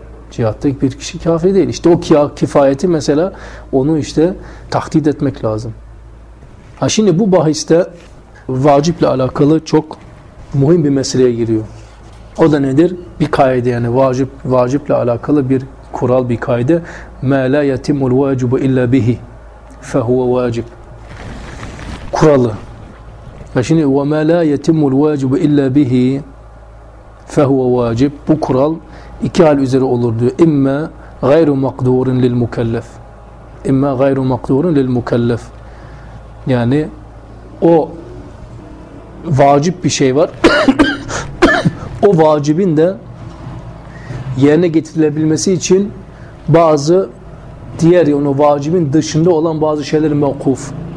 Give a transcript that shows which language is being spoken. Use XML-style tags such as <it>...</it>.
<tr>Cihatta bir kişi kafi değil. İşte o kifayeti mesela, onu işte tahdid etmek lazım. Ha şimdi bu bahiste vaciple alakalı çok muhim bir meseleye giriyor. O da nedir? Bir kaide, yani vacip, vaciple alakalı bir kural, bir kaide.</tr> <ar>مَا لَا يَتِمُ الْوَاجُبُ اِلَّا بِهِ فَهُوَ وَاجِبُ</ar> <tr>kuralı. Ve şimdi</tr> <ar>وَمَا لَا يَتِمُ الْوَاجُبُ اِلَّا بِهِ فَهُوَ وَاجِبُ.</ar> <tr>Bu kural iki hal üzere olur diyor.</tr> <ar>اِمَّا غَيْرُ مَقْدُورٍ لِلْمُكَلَّفِ اِمَّا غَيْرُ مَقْدُورٍ لِلْمُكَلَّفِ.</ar> <tr>Yani o vacip bir şey var. O vacibin de yerine getirilebilmesi için bazı diğer, yani o vacibin dışında olan bazı şeyler mevkuf.</tr>